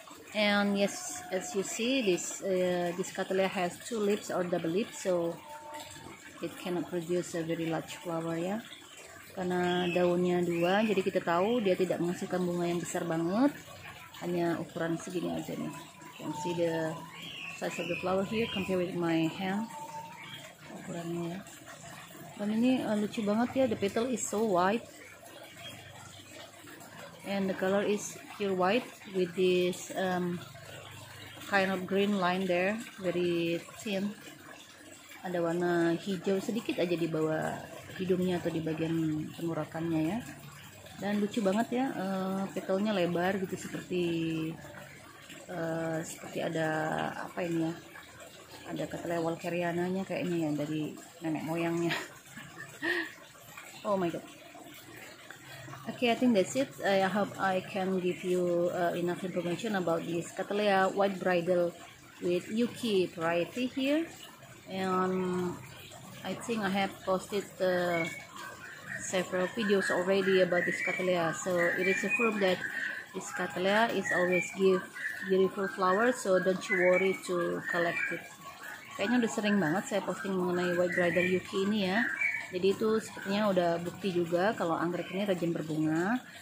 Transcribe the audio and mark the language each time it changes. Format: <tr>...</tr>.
<en>And yes, as you see, this Cattleya has two leaves or double leaves, so it cannot produce a very large flower ya.</en> <id>Karena daunnya dua, jadi kita tahu dia tidak menghasilkan bunga yang besar banget. Hanya ukuran segini aja nih.</id> <en>You can see the size of the flower here compared with my hand.</en> <id>Ukurannya ya. Dan ini lucu banget ya,</id> <en>the petal is so white. And the color is pure white with this kind of green line there, very thin.</en> <id>Ada warna hijau sedikit aja di bawah hidungnya atau di bagian tenggorokannya ya. Dan lucu banget ya, petalnya lebar gitu seperti ada apa ini ya? Ada Cattleya walkeriananya kayaknya ya, dari nenek moyangnya.</id> <en>Oh my god. Okay, I think that's it. I hope I can give you enough information about this Cattleya White Bridal with Yuki variety here. And I think I have posted several videos already about this Cattleya. So it is a proof that Miss Katlea is always give beautiful flowers, so don't you worry to collect it.</en> <id>Kayaknya udah sering banget saya posting mengenai White Bridal Yuki ini ya. Jadi itu sepertinya udah bukti juga kalau anggrek ini rajin berbunga.</id>